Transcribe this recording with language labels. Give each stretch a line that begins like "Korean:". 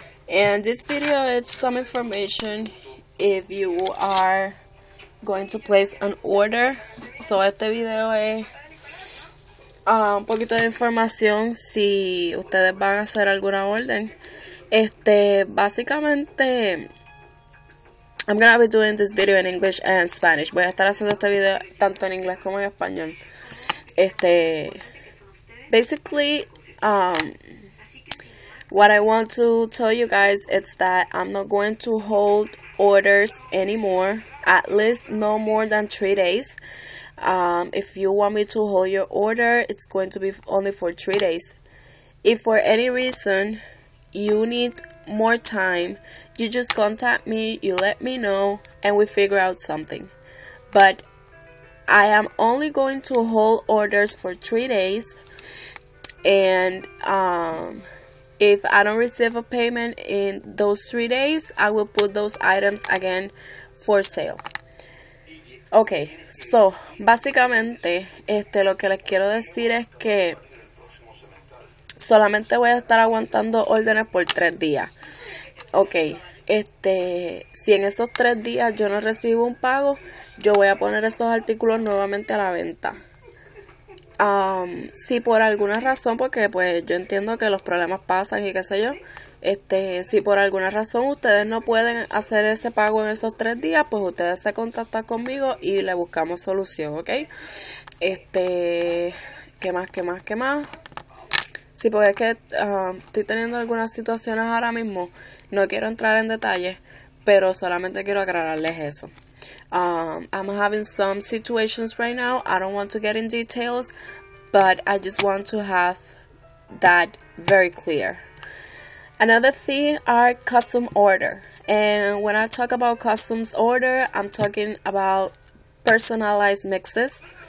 English: And this video is some information if you are going to place an order.
Spanish: So este video es un poquito de información si ustedes van a hacer alguna orden. Básicamente,
English: I'm gonna be doing this video in English and Spanish.
Spanish: Voy a estar haciendo este video tanto en inglés como en español.
English: Basically, what I want to tell you guys is that I'm not going to hold orders anymore, at least no more than 3 days. If you want me to hold your order, it's going to be only for 3 days. If for any reason you need more time, you just contact me, you let me know, and we figure out something. But I am only going to hold orders for 3 days. And if I don't receive a payment in those 3 days, I will put those items again for sale.
Spanish: Okay, so básicamente, lo que les quiero decir es que solamente voy a estar aguantando órdenes por 3 días. Okay, si en esos 3 días yo no recibo un pago, yo voy a poner esos artículos nuevamente a la venta. Si por alguna razón, porque pues yo entiendo que los problemas pasan y qué sé yo, si por alguna razón ustedes no pueden hacer ese pago en esos 3 días, pues ustedes se contactan conmigo y le buscamos solución, ¿ok? ¿Qué más? Sí, porque es que estoy teniendo algunas situaciones ahora mismo. No quiero entrar en detalles, pero solamente quiero aclararles eso.
English: I'm having some situations right now. I don't want to get in details, but I just want to have that very clear. Another thing are custom order. And when I talk about customs order, I'm talking about personalized mixes.